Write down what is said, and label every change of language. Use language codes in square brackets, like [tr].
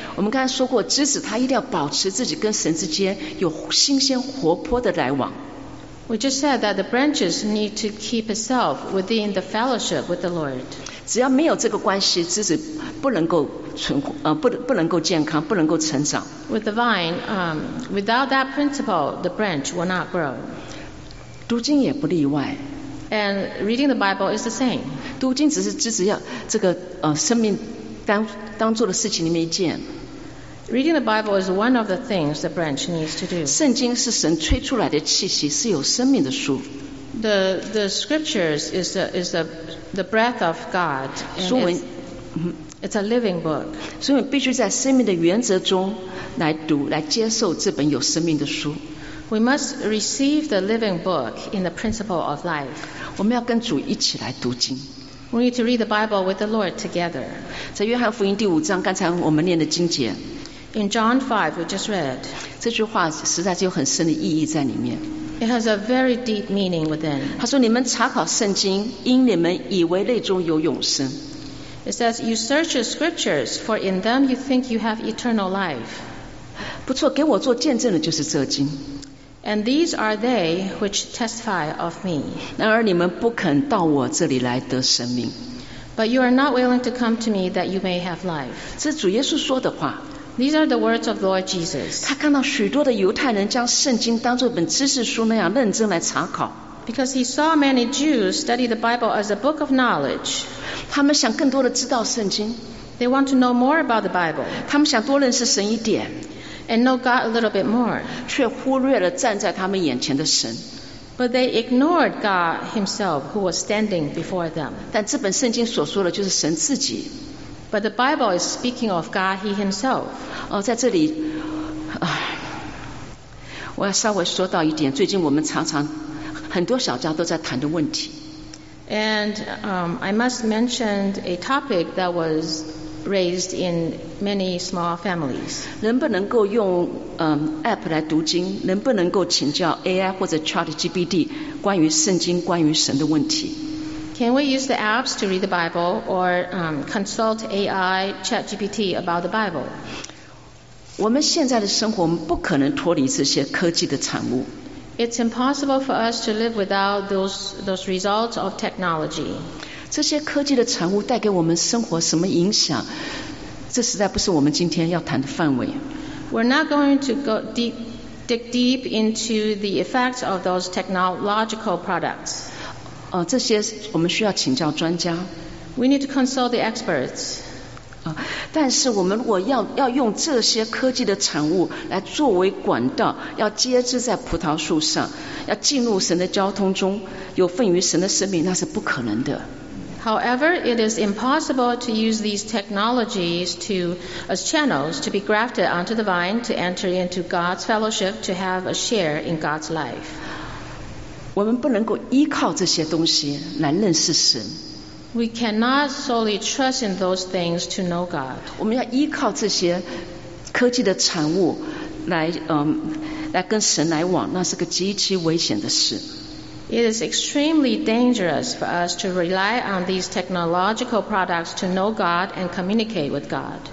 [zh] 我们刚才说过，枝子它一定要保持自己跟神之间有新鲜活泼的来往。 [en] We just said that the branches need to keep itself within the fellowship with the Lord. [zh] 只要没有这个关系，枝子不能够不能够健康，不能够成长。 [en] With the vine, without that principle, the branch will not grow. [zh] 读经也不例外。 [en] And reading the Bible is the same. [zh] 读经只是枝子要这个生命当做的事情里面一件。 [en] Reading the Bible is one of the things the branch needs to do. [zh] 圣经是神吹出来的气息，是有生命的书。 [en] The scriptures is the breath of God. [zh] 书文， [en] it's a living book. [zh] 所以我们必须在生命的原则中来读，来接受这本有生命的书。 [en] We must receive the living book in the principle of life. [zh] 我们要跟主一起来读经。 [en] We need to read the Bible with the Lord together. [zh] 在约翰福音第五章，刚才我们念的经节。 [en] In John 5, we just read. [zh] 这句话实在就有很深的意义在里面。 [en] It has a very deep meaning within. [zh] 他说：“你们查考圣经，因你们以为内中有永生。” [en] It says, "You search the scriptures, for in them you think you have eternal life." [zh] 不错，给我做见证的就是这经。 [en] And these are they which testify of me. [zh] 然而你们不肯到我这里来得生命。 [en] But you are not willing to come to me that you may have life. [zh] 这是主耶稣说的话。 [en] These are the words of Lord Jesus. [zh] 他看到许多的犹太人将圣经当作一本知识书那样认真来查考。 [en] Because he saw many Jews study the Bible as a book of knowledge. [zh] 他们想更多的知道圣经。 [en] They want to know more about the Bible. [zh] 他们想多认识神一点。 [en] And know God a little bit more. [zh] 却忽略了站在他们眼前的神。 [en] But they ignored God himself who was standing before them. [zh] 但这本圣经所说的就是神自己。 [en] But the Bible is speaking of God, he himself. [zh] 哦，在这里，我要稍微说到一点，最近我们常常很多小家都在谈的问题。 [en] And I must mention a topic that was raised in many small families. [zh] 能不能够用App 来读经？能不能够请教 AI 或者 ChatGPT 关于圣经、关于神的问题？ [en] Can we use the apps to read the Bible or consult AI, ChatGPT about the Bible? [zh] 我们现在的生活，我们不可能脱离这些科技的产物。 [en] It's impossible for us to live without those results of technology. [zh] 这些科技的产物带给我们生活什么影响？这实在不是我们今天要谈的范围。 [en] We're not going to go dig deep into the effects of those technological products. [zh] 这些我们需要请教专家。 [en] We need to consult the experts. [zh] 但是我们如果 要用这些科技的产物来作为管道，要接枝在葡萄树上，要进入神的交通中，有份于神的生命，那是不可能的。 [en] However, it is impossible to use these technologies to, as channels to be grafted onto the vine to enter into God's fellowship to have a share in God's life. [zh] 我们不能够依靠这些东西来认识神。 [en] We cannot solely trust in those things to know God. [zh] 我们要依靠这些科技的产物来来跟神来往，那是个极其危险的事。 [en] It is extremely dangerous for us to rely on these technological products to know God and communicate with God.